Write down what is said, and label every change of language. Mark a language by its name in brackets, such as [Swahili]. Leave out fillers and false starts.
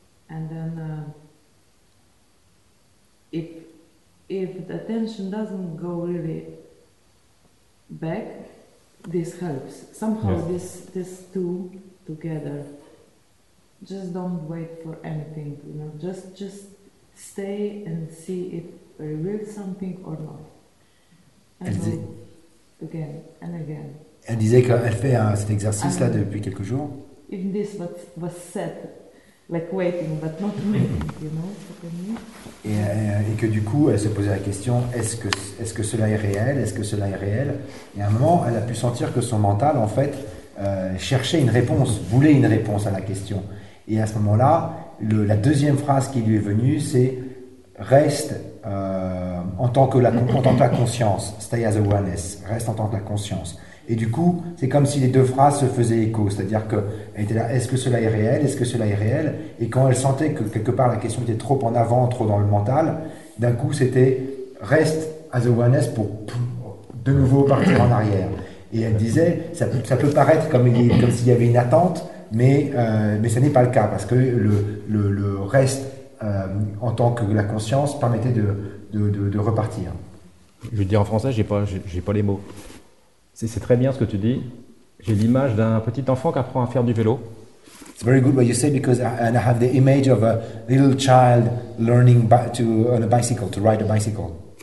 [English] And then if the attention doesn't go really back, this helps. Somehow yes. this two together. Just don't wait for anything, you know. Just stay and see if it reveals something or not. And again. [French] Elle disait qu'elle fait cet exercice là depuis quelques jours. [English] Even this was set, like waiting, but not waiting, you know. [French] Et que du coup, elle se posait la question est-ce que cela est réel? Est-ce que cela est réel? Et à un moment, elle a pu sentir que son mental, en fait, cherchait une réponse, voulait une réponse à la question. Et à ce moment-là, la deuxième phrase qui lui est venue, c'est « Reste en tant que la conscience. [English] Stay as awareness. [French] Reste en tant que la conscience. » Et du coup, c'est comme si les deux phrases se faisaient écho. C'est-à-dire qu'elle était là « Est-ce que cela est réel ? Est-ce que cela est réel ?» Et quand elle sentait que, quelque part, la question était trop en avant, trop dans le mental, d'un coup, c'était « Reste [English] as awareness [French] » pour de nouveau partir en arrière. Et elle disait « ça peut paraître comme s'il y avait une attente, mais ce n'est pas le cas parce que le reste en tant que la conscience permettait de repartir. Je veux dire en français, j'ai pas les mots. C'est très bien ce que tu dis. J'ai l'image d'un petit enfant qui apprend à faire du vélo. [English] It's very good what you say because I have the image of a little child learning to ride a bicycle.